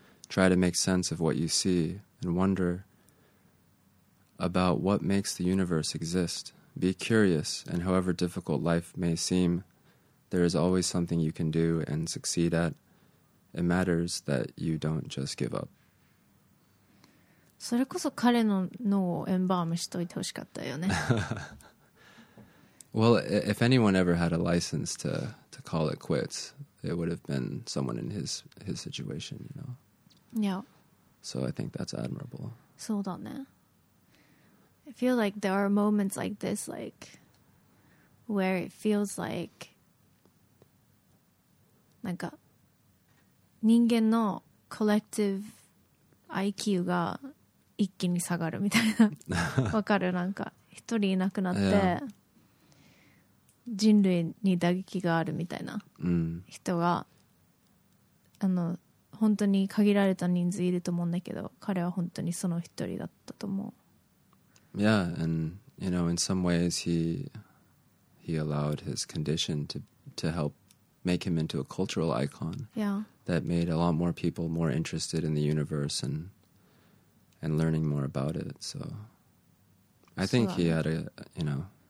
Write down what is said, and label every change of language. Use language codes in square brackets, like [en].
[en] Try to make sense of what you see and wonder about what makes the universe exist. Be curious, and however difficult life may seem, there is always something you can do and succeed at. It matters that you don't just give up. [ja] それこそ彼の脳をエンバームしといてほしかったよね。 [en] Well, if anyone ever had a license to call it quits, it would have been someone in his situation, you know? Yeah. So I think that's admirable. [ja] そうだね。 [en] I feel like there are moments like this, like, where it feels like, [ja] なんか、人間の collective IQ が一気に下がるみたいな。わかる？なんか、一人いなくなって、yeah. 人類に打撃があるみたいな人が、うん、あの本当に限られた人数いると思うんだけど、彼は本当にその一人だったと思う。 [en] Yeah, and you know, in some ways he allowed his condition to help make him into a cultural icon. Yeah, that made a lot more people more interested in the universe and learning more about it. So I think he had a you know.